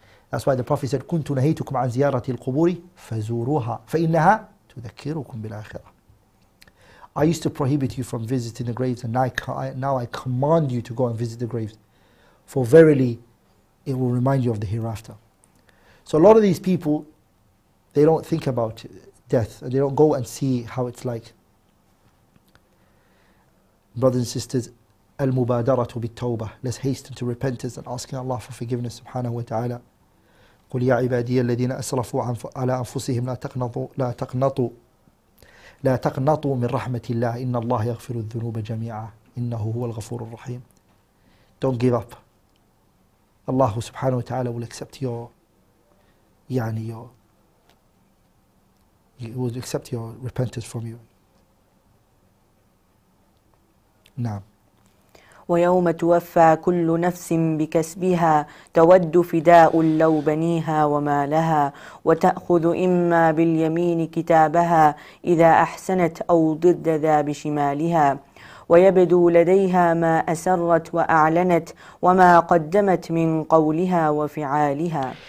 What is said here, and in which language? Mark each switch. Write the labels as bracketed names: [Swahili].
[English] That's why the Prophet said [Arabic] كنت نهيتكم عن زيارة القبور فزوروها فإنها تذكركم بالآخرة. [English] I used to prohibit you from visiting the graves, and now I command you to go and visit the graves, for verily it will remind you of the hereafter. So a lot of these people, they don't think about death, and they don't go and see how it's like. Brothers and sisters, [Arabic] al-mubadaratu bit-tawbah, [English] let's hasten to repentance and asking Allah for forgiveness, subhanahu wa ta'ala. [Arabic] قُلْ يَا عِبَادِيَ الَّذِينَ أَسْرَفُوا عَلَىٰ أَنفُسِهِمْ لَا تَقْنَطُوا مِنْ رَحْمَةِ اللَّهِ إِنَّ اللَّهَ يَغْفِرُ الذُّنُوبَ جَمِيعًا إِنَّهُ هُوَ الْغَفُورُ الرَّحِيمُ. [English] Don't give up. Allah subhanahu wa ta'ala will accept your repentance from you. [Arabic] نعم. ويوم توفى كل نفس بكسبها تود فداء لو بنيها وما لها وتأخذ إما باليمين كتابها إذا أحسنت أو ضد ذا بشمالها ويبدو لديها ما أسرت وأعلنت وما قدمت من قولها وفعالها.